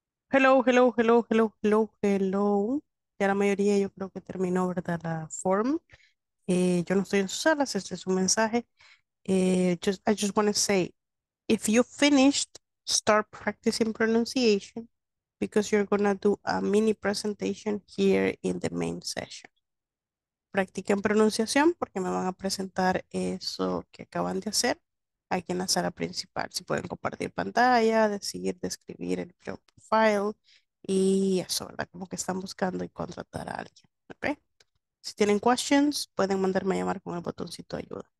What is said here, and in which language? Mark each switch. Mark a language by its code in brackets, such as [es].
[en] Hello, hello, hello, hello, hello, hello. [es] Ya la mayoría yo creo que terminó, ¿verdad? La form. Yo no estoy en sus salas, este es un mensaje. [en] I just want to say, if you finished, start practicing pronunciation because you're going to do a mini presentation here in the main session. [es] Practiquen pronunciación porque me van a presentar eso que acaban de hacer aquí en la sala principal. Si pueden compartir pantalla, decir, describir el profile y eso, ¿verdad? Como que están buscando y contratar a alguien, ¿ok? Si tienen questions, pueden mandarme a llamar con el botoncito de ayuda.